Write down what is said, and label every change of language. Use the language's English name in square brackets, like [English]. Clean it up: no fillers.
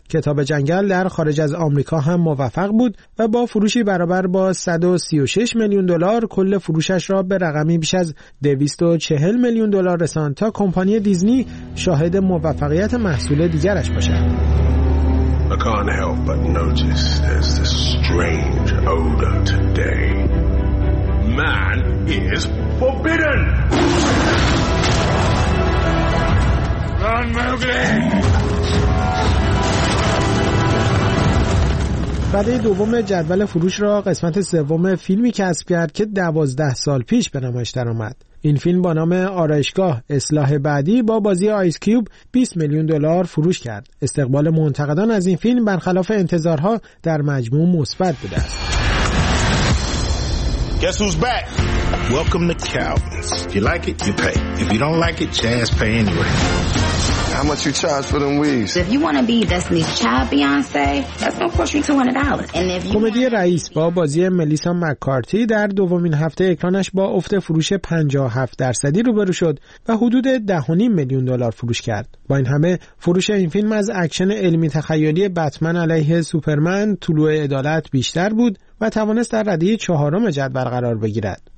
[Persian] کتاب جنگل در خارج از آمریکا هم موفق بود و با فروشی برابر با 136 میلیون دلار کل فروشش را به رقمی بیش از 240 میلیون دلار رساند تا کمپانی دیزنی شاهد موفقیت محصول دیگرش باشد. [English] I can't help but notice there's this strange odor today. Man is forbidden! Run, Mowgli! [Persian] رده دوم جدول فروش را قسمت سوم فیلمی کسب کرد که 12 سال پیش به نمایش درآمد. این فیلم با نام آرایشگاه اصلاح بعدی با بازی آیس کیوب 20 میلیون دلار فروش کرد. استقبال منتقدان از این فیلم برخلاف انتظارها در مجموع مثبت بوده است. [English] Guess who's back? Welcome to Calvin's. If you like it, you pay. If you don't like it, jazz pay anyway. How much you charge for them weaves? If you want to be Destiny's Child Beyonce, that's gonna cost you $200. And if you [Persian] کمدی رئیس با بازی ملیسا مک‌کارتی در دومین هفته اکرانش با افت فروش 57% روبرو شد و حدود 10.5 میلیون دلار فروش کرد. با این همه فروش این فیلم از اکشن علمی تخیلی بتمن علیه سوپرمن طلوع عدالت بیشتر بود و توانست در رده چهارم جدول قرار بگیرد.